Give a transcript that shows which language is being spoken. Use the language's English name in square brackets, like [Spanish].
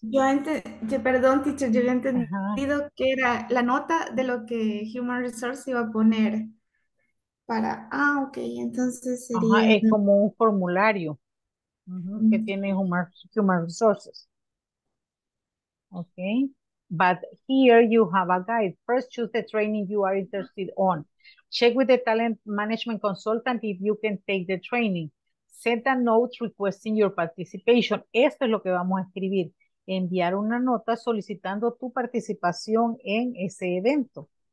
[Spanish] Yo entendí, perdón, teacher, yo había entendido que era la nota de lo que Human Resources iba a poner para, ok, entonces sería. Ajá, es como un formulario que tiene Human Resources. [English] Okay. But here you have a guide. First, choose the training you are interested on. Check with the talent management consultant if you can take the training. Send a note requesting your participation. [Spanish] Esto es lo que vamos a escribir. Enviar una nota solicitando tu participación en ese evento.